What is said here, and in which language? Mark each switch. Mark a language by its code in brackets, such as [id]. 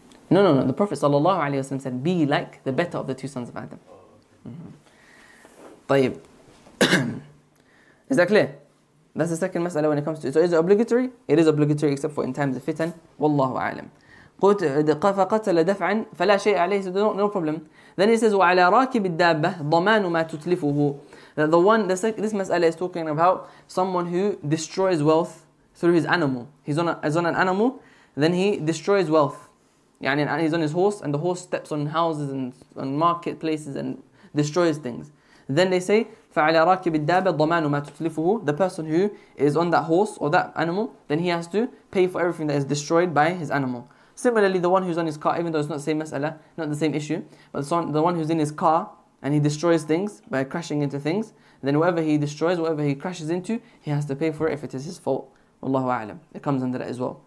[en] No. The Prophet sallallahu alayhi wasallam said, be like the better of the two sons of Adam. Okay. Mm-hmm. Is that clear? That's the second mas'ala when it comes to it. So is it obligatory? It is obligatory except for in times of fitan. [ar] Wallahu a'lam. فَقَتَلَ دَفْعًا فَلَا شَيْءَ عَلَيْهِ. [en] So no problem. Then he says, [ar] وَعَلَى رَاكِبِ الدَّابَّةِ ضَمَانُ مَا تُتْلِفُهُ. [en] This mas'ala is talking about someone who destroys wealth through his animal. He's on an animal, then he destroys wealth. يعني, and he's on his horse, and the horse steps on houses and on marketplaces and destroys things. Then they say, [ar] فَعَلَى رَاكِبِ الدَّابَ ضَمَانُ مَا تُتْلِفُهُ. [en] The person who is on that horse or that animal, then he has to pay for everything that is destroyed by his animal. Similarly, the one who's on his car, even though it's not the same mas'ala, not the same issue, but the one who's in his car and he destroys things by crashing into things, then whatever he destroys, whatever he crashes into, he has to pay for it if it is his fault. Wallahu a'lam. It comes under that as well.